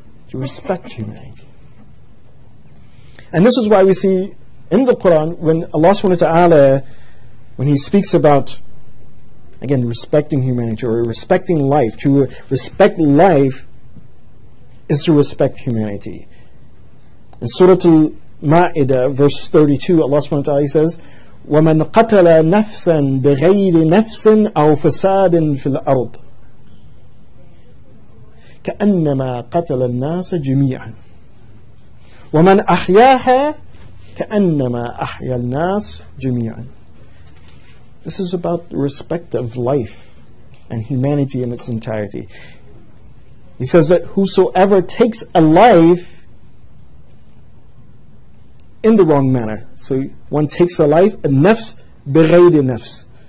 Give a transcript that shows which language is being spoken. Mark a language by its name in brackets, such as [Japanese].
[English] To respect humanity. And this is why we see in the Quran, when Allah subhanahu wa ta'ala, when he speaks about, again, respecting humanity or respecting life, to respect life is to respect humanity. In Surah Al-Ma'idah, verse 32, Allah subhanahu wa ta'ala says, [Arabic] وَمَنْ قَتَلَ نَفْسًا بِغَيْرِ نَفْسٍ أَوْ فَسَادٍ فِي الْأَرْضِ كَأَنَّمَا قَتَلَ النَّاسَ جَمِيعًا وَمَنْ أَحْيَاهَا كَأَنَّمَا أَحْيَى النَّاسَ جَمِيعًا. [English] This is about the respect of life and humanity in its entirety. He says that whosoever takes a life in the wrong manner, so one takes a life, a nafs, bighayri nafs.